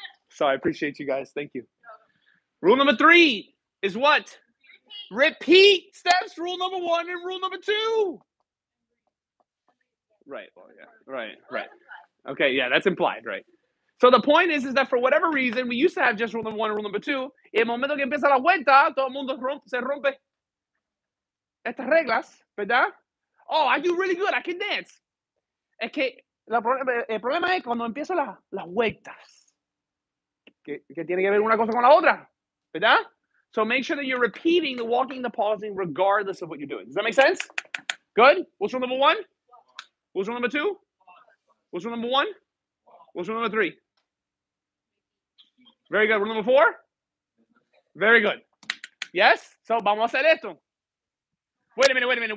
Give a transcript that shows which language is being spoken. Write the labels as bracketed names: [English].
[English] So I appreciate you guys. Thank you. Rule number three is what? Repeat steps. Rule number one and rule number two. Right, well, yeah, right. Okay, yeah, that's implied, right? So the point is that for whatever reason, we used to have just rule number one and rule number two. [Spanish] El momento que empieza la vuelta, todo el mundo se rompe estas reglas, ¿verdad? [English] Oh, I do really good. I can dance. [Spanish] Es que el problema es cuando empieza las vueltas. Que tiene que ver una cosa con la otra, ¿verdad? [English] So make sure that you're repeating the walking, the pausing, regardless of what you're doing. Does that make sense? Good. What's rule number one? What's rule number two? What's rule number one? What's rule number three? Very good. Rule number four? Very good. Yes? So, [Spanish] vamos a hacer esto. [English] Wait a minute.